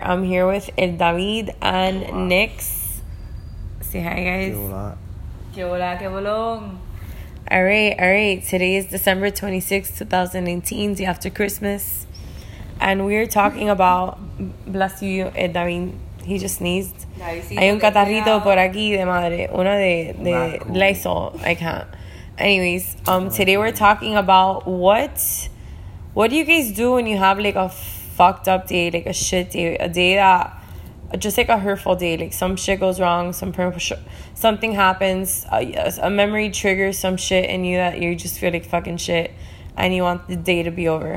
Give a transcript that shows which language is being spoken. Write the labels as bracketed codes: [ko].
[en] I'm here with El David and hola. Nyx. Say hi, guys. [es] Que hola. Que hola, que [en] All right. Today is December 26, 2018, day after Christmas. And we're talking about, bless you, El David. He just sneezed. [es] Hay un catarrito por aquí de madre. Una de Lysol. [en] I can't. Anyways, today we're talking about what do you guys do when you have like a fucked up day, like a shit day, a day that just like a hurtful day, like some shit goes wrong, something happens, a memory triggers some shit in you that you just feel like fucking shit and you want the day to be over.